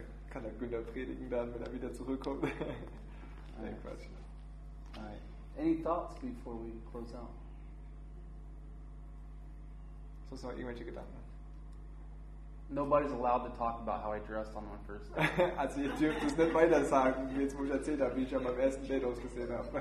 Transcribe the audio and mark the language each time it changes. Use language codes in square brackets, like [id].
[de] Kann der Günther predigen dann, wenn er wieder zurückkommt? Nein, Quatsch. [en] All right. Any thoughts before we close out? [de] Sonst noch irgendwelche Gedanken? [en] Nobody's allowed to talk about how I dressed on my first date. [de] Also ihr dürft es nicht weiter sagen, jetzt wo ich erzählt habe, wie ich an meinem ersten Date ausgesehen habe.